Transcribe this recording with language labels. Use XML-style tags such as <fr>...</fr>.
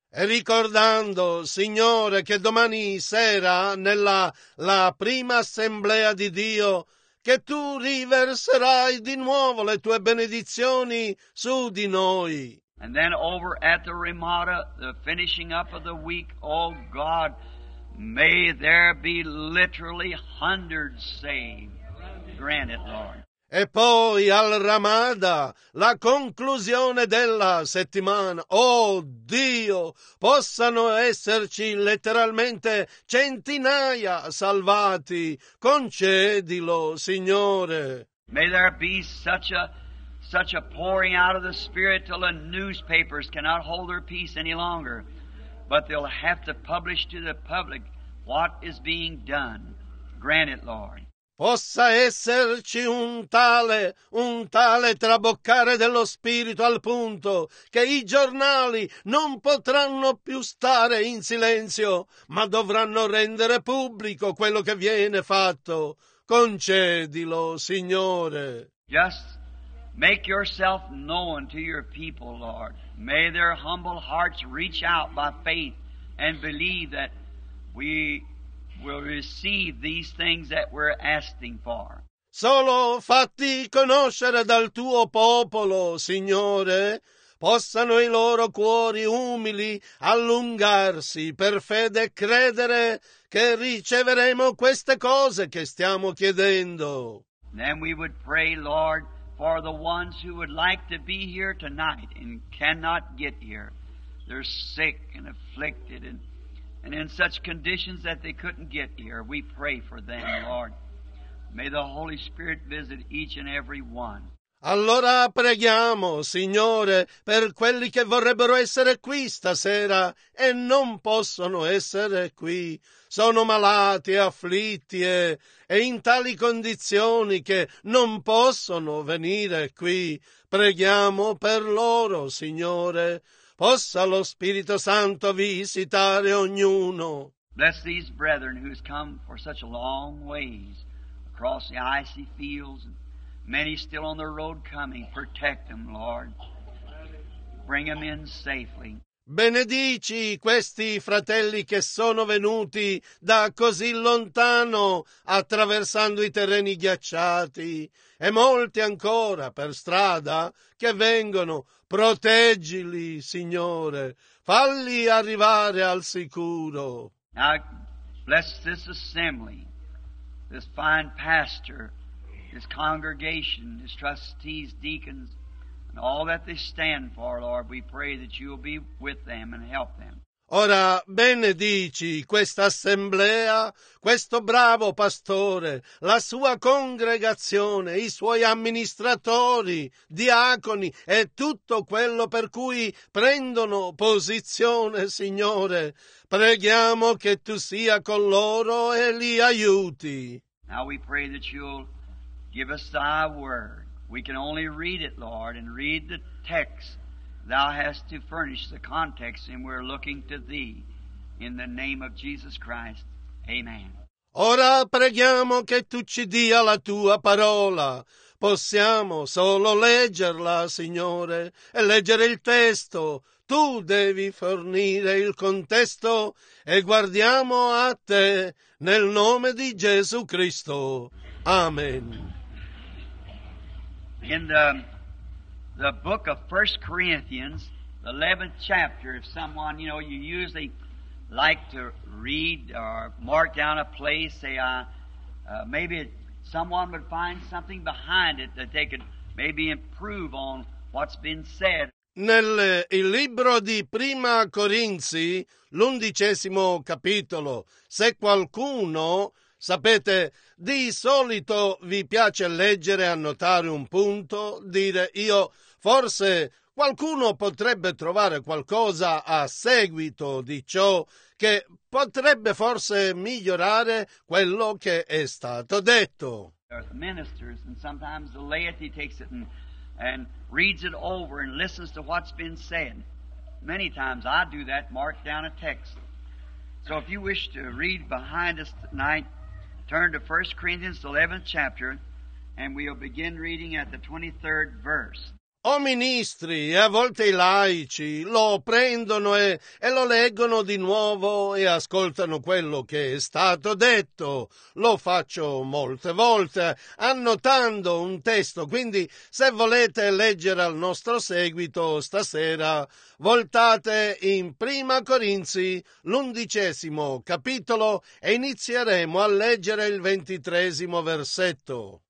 <it>E ricordando, Signore, che domani sera nella la prima assemblea di Dio che tu riverserai di nuovo le tue benedizioni su di noi.</it> <en>And then over at the Ramada, the finishing up of the week, oh God, may there be literally hundreds saved. Grant it, Lord.</en> <it>E poi al Ramada, la conclusione della settimana, oh Dio, possano esserci letteralmente centinaia salvati, concedilo, Signore.</it> <en>May there be such a pouring out of the Spirit till the newspapers cannot hold their peace any longer, but they'll have to publish to the public what is being done. Grant it, Lord.</en> <it>possa esserci un tale traboccare dello spirito al punto che i giornali non potranno più stare in silenzio, ma dovranno rendere pubblico quello che viene fatto. Concedilo, Signore.</it> <en>Just make yourself known to your people, Lord. May their humble hearts reach out by faith and believe that we will receive these things that we're asking for.</en> <it>Solo fatti conoscere dal tuo popolo, Signore, possano i loro cuori umili allungarsi per fede e credere che riceveremo queste cose che stiamo chiedendo.</it> <en>Then we would pray, Lord, for the ones who would like to be here tonight and cannot get here. They're sick and afflicted and in such conditions that they couldn't get here. We pray for them, Lord. May the Holy Spirit visit each and every one.</en> <it>Allora preghiamo, Signore, per quelli che vorrebbero essere qui stasera e non possono essere qui. Sono malati, afflitti e in tali condizioni che non possono venire qui. Preghiamo per loro, Signore. Possa lo Spirito Santo visitare ognuno.</it> <en>Bless these brethren who's come for such a long ways across the icy fields. Many still on the road coming. Protect them, Lord. Bring them in safely.</en> <it>Benedici questi fratelli che sono venuti da così lontano attraversando i terreni ghiacciati e molti ancora per strada che vengono. Proteggili, Signore. Falli arrivare al sicuro.</it> <en>Now, bless this assembly, this fine pastor, this congregation, his trustees, deacons, and all that they stand for, Lord, we pray that you will be with them and help them.</en> <it>Ora benedici questa assemblea, questo bravo pastore, la sua congregazione, i suoi amministratori, diaconi e tutto quello per cui prendono posizione, Signore. Preghiamo che tu sia con loro e li aiuti.</it> <en>Now we pray that you'll give us thy word. We can only read it, Lord, and read the text. Thou hast to furnish the context, and we're looking to thee. In the name of Jesus Christ, amen.</en> <it>Ora preghiamo che tu ci dia la tua parola. Possiamo solo leggerla, Signore, e leggere il testo. Tu devi fornire il contesto e guardiamo a te nel nome di Gesù Cristo. Amen.</it> <en>In the book of 1 Corinthians, the 11th chapter, if someone, you know, you usually like to read or mark down a place, say, maybe someone would find something behind it that they could maybe improve on what's been said.</en> <it>Nel il libro di Prima Corinzi, l'undicesimo capitolo, se qualcuno... Sapete, di solito vi piace leggere e annotare un punto, dire io, forse qualcuno potrebbe trovare qualcosa a seguito di ciò che potrebbe forse migliorare quello che è stato detto.</it> <en>Ministers and sometimes the laity takes it and reads it over and listens to what's been said. Many times I do that, mark down a text. So if you wish to read behind us tonight, turn to 1 Corinthians 11th chapter and we'll begin reading at the 23rd verse.</en> <it>O ministri, e a volte i laici, lo prendono e lo leggono di nuovo e ascoltano quello che è stato detto. Lo faccio molte volte, annotando un testo. Quindi, se volete leggere al nostro seguito stasera, voltate in Prima Corinzi, l'undicesimo capitolo, e inizieremo a leggere il 23° versetto.</it>